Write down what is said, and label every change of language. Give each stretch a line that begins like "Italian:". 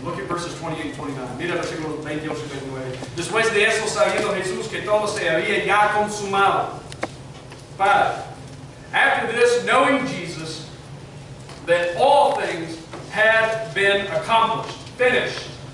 English: Look at verses 28 and 29.
Spanish: Mira versículo 28 y 29. Después de eso, sabiendo Jesús que todo se había ya consumado.
English: Five. After this, knowing Jesus, that all things had been accomplished, finished.